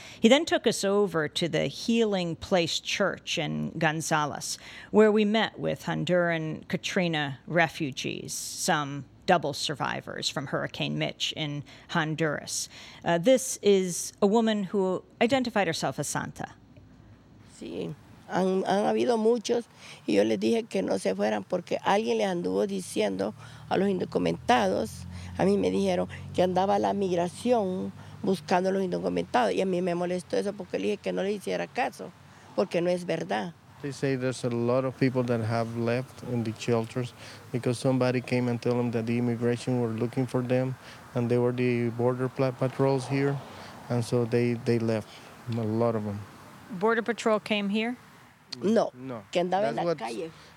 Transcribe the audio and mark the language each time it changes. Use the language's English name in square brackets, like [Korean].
[English] He then took us over to the Healing Place Church in Gonzales, where we met with Honduran Katrina refugees, some double survivors from Hurricane Mitch in Honduras. This is a woman who identified herself as Santa. [Spanish] Sí. Han habido muchos, y yo les dije que no se fueran porque alguien les anduvo diciendo a los indocumentados. A mí me dijeron que andaba la migración buscando a los indocumentados, y a mí me molestó eso porque le dije que no les hiciera caso, porque no es verdad. [English] They say there's a lot of people that have left in the shelters because somebody came and told them that the immigration were looking for them, and they were the border patrols here, and so they left, a lot of them. Border Patrol came here? [Spanish] No. Que andaba en la calle.